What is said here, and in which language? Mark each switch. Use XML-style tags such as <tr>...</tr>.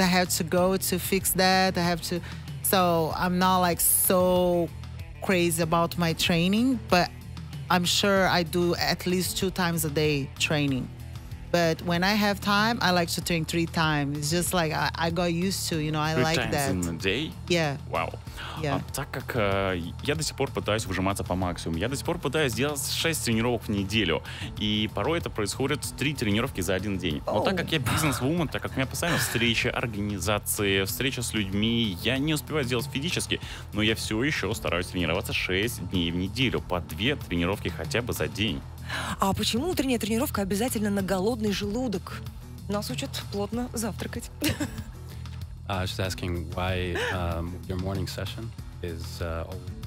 <en>I have to go to fix that. I have to. So I'm not like so crazy about my training, but I'm sure I do at least 2 times a day training. But when I have time, I like to train 3 times. It's just like I got used to, you know, I like that. 3 times in a day? Yeah. Wow. Yeah.</en> <ru>Так как я до сих пор пытаюсь выжиматься по максимуму, я до сих пор пытаюсь делать 6 тренировок в неделю. И порой это происходит 3 тренировки за 1 день. Но так как я бизнес-вумен, так как у меня постоянно встречи, организации, встречи с людьми, я не успеваю сделать физически, но я все еще стараюсь тренироваться 6 дней в неделю, по 2 тренировки хотя бы за день. А почему утренняя тренировка обязательно на голодный желудок? Нас учат плотно завтракать.</ru> <en>I was just asking why your morning session is always...</en>